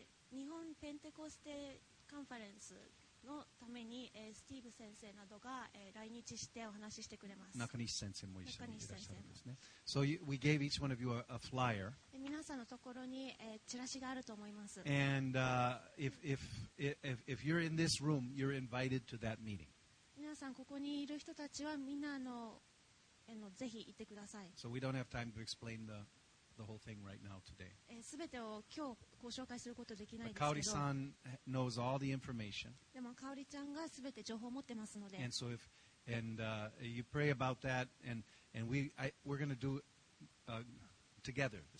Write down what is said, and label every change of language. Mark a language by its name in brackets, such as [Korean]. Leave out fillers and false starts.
[Japanese] 日本ペンテコステカンファレンスのために、スティーブ先生などが、来日してお話ししてくれます。中西先生も一緒にいらっしゃるんですね。 [English] So we gave each one of you a flyer. [Japanese] 皆さんのところに、チラシがあると思います。 [English] And if you're in this room, you're invited to that meeting. [Japanese] 皆さんここにいる人たちはみんなぜひ行ってください。 [English] So we don't have time to explain the... the whole thing right now today. But Kaori-san knows all the information. And so if and you pray about that, and we're going to do together.